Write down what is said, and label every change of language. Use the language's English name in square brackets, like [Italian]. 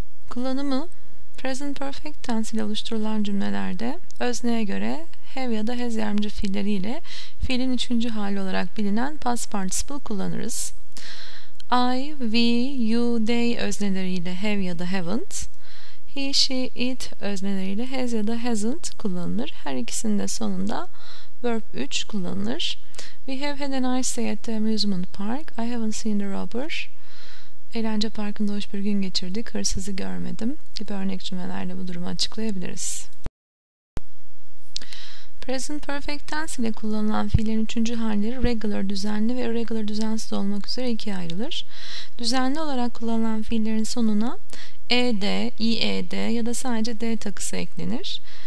[Turkish] Kullanımı Present Perfect Tense ile oluşturulan cümlelerde özneye göre have ya da has yardımcı fiilleri ile fiilin üçüncü hali olarak bilinen past participle kullanırız. I, we, you, they özneleriyle have ya da haven't, he, she, it özneleriyle has ya da hasn't kullanılır. Her ikisinde sonunda verb 3 kullanılır. [English] We have had a nice day at the amusement park. I haven't seen the robber. [Turkish] Eğlence parkında hoş bir gün geçirdik. Hırsızı görmedim gibi örnek cümlelerle bu durumu açıklayabiliriz. Present Perfect Tense ile kullanılan fiillerin üçüncü halleri regular düzenli ve irregular düzensiz olmak üzere ikiye ayrılır. Düzenli olarak kullanılan fiillerin sonuna ed, ied ya da sadece d takısı eklenir.